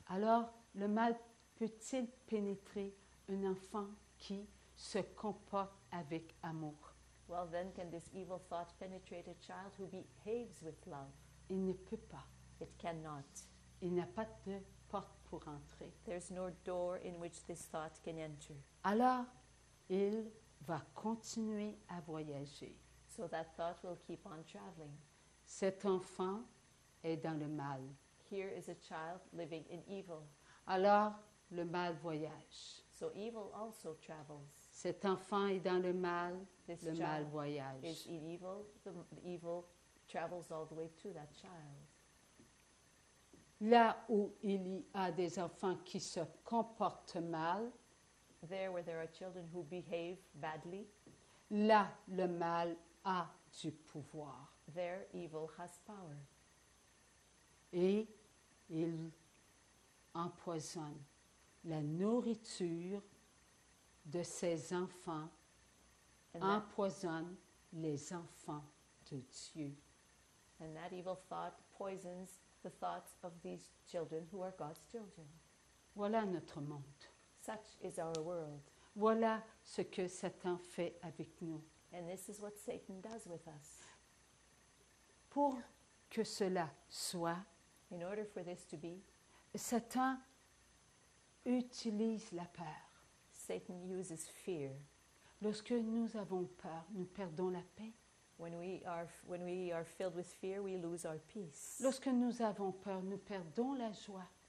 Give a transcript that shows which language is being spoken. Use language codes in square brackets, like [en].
[fr] Alors, le mal peut-il pénétrer un enfant qui se comporte avec amour? [en] Well, then can this evil thought penetrate a child who behaves with love? [fr] Il ne peut pas. [en] It cannot. [fr] Il n'a pas de porte pour entrer. [en] There's no door in which this thought can enter. [fr] Alors, il va continuer à voyager. [en] So that thought will keep on traveling. [fr] Cet enfant est dans le mal. [en] Here is a child living in evil. [fr] Alors, le mal voyage. [en] So evil also travels. [fr] Cet enfant est dans le mal, [en] this [fr] le mal voyage. [en] Is in evil, the evil travels all the way to that child. [fr] Là où il y a des enfants qui se comportent mal, [en] there where there are children who behave badly, [fr] là le mal a du pouvoir. [en] There evil has power. [fr] Et il empoisonne la nourriture de ses enfants, empoisonne les enfants de Dieu. [en] And that evil thought poisons the thoughts of these children who are God's children. [fr] Voilà notre monde. [en] Such is our world. [fr] Voilà ce que Satan fait avec nous. [en] And this is what Satan does with us. [fr] Pour que cela soit, [en] in order for this to be, [fr] Satan utilise la peur. [en] Satan uses fear. [fr] Lorsque nous avons peur, nous perdons la paix. [en] When we are filled with fear, we lose our peace. [fr] Lorsque nous avons peur, nous perdons la joie.